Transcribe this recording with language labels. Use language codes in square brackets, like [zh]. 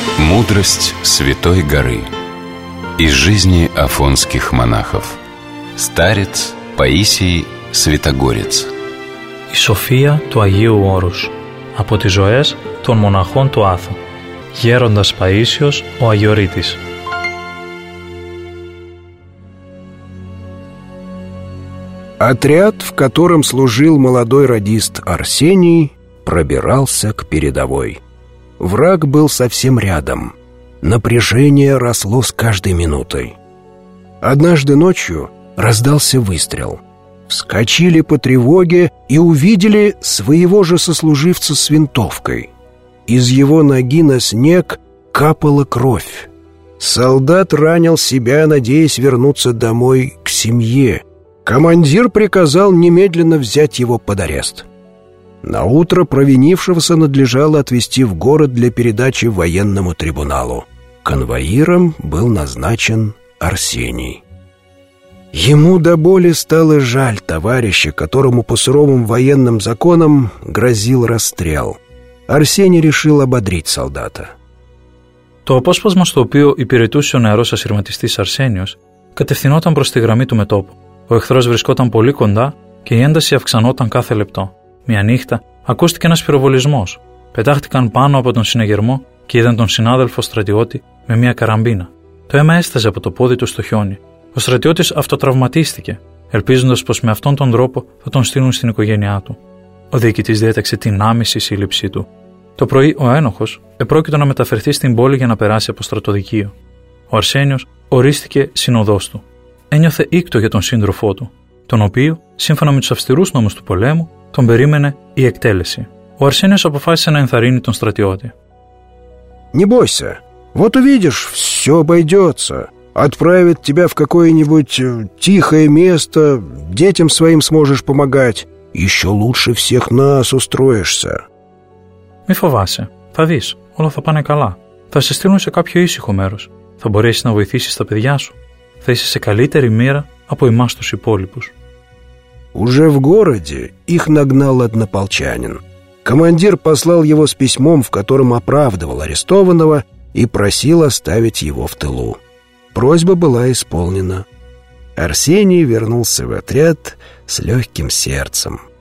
[ru] Мудрость Святой Горы из жизни афонских монахов. Старец Паисий Святогорец. [el] И София του Αγίου Όρους από τις ζωές των μοναχών του Άθου. Γέροντας Παΐσιος ο Αγιορείτης. [ru] Отряд, в котором служил молодой радист Арсений, пробирался к передовой. Враг был совсем рядом. Напряжение росло с каждой минутой. Однажды ночью раздался выстрел. вскочили по тревоге и увидели своего же сослуживца с винтовкой. Из его ноги на снег капала кровь. Солдат ранил себя, надеясь вернуться домой к семье. Командир приказал немедленно взять его под арест. Наутро провинившегося надлежало отвезти в город для передачи военному трибуналу. Конвоиром был назначен Арсений. Ему до боли стало жаль товарища, которому по суровым военным законам грозил расстрел. Арсений решил ободрить солдата. [el] Το απόσπασμα στο οποίο υπηρετούσε ο νεαρός ασυρματιστής Αρσένιος κατευθυνόταν προς τη γραμμή του μετόπου. Ο εχθρός βρισκόταν πολύ κοντά και η ένταση αυξανόταν κάθε λεπτό. Μια νύχτα ακούστηκε ένας πυροβολισμός. Πετάχτηκαν πάνω από τον συναγερμό και είδαν τον συνάδελφο στρατιώτη με μια καραμπίνα. Το αίμα έσταζε από το πόδι του στο χιόνι. Ο στρατιώτης αυτοτραυματίστηκε, ελπίζοντας πως με αυτόν τον τρόπο θα τον στείλουν στην οικογένειά του. Ο διοικητής διέταξε την άμεση σύλληψή του. Το πρωί ο ένοχος επρόκειτο να μεταφερθεί στην πόλη για να περάσει από στρατοδικείο. Ο Αρσένιος ορίστηκε σύνοδός του. Ένιωθε ίκτο για τον σύντροφό του, τον οποίο, σύμφωνα με τους αυστηρούς νόμους του πολέμου, τον περίμενε η εκτέλεση. Ο Αρσένιος αποφάσισε να ενθαρρύνει τον στρατιώτη. [ru] «Не бойся, вот увидишь, все обойдется. Отправят тебя в какое-нибудь тихое место, детям своим сможешь помогать. Еще лучше всех нас устроишься». [el] «Μη φοβάσαι. Θα δεις. Όλα θα πάνε καλά. Θα σε στείλουν σε κάποιο ήσυχο μέρος. Θα μπορέσεις να βοηθήσεις τα παιδιά σου. Θα είσαι σε καλύτερη μοίρα από εμάς τους υπόλοιπους». [ru] «Уже в городе их нагнал однополчанин. Командир послал его с письмом, в котором оправдывал арестованного и просил оставить его в тылу. Просьба была исполнена. Арсений вернулся в отряд с легким сердцем.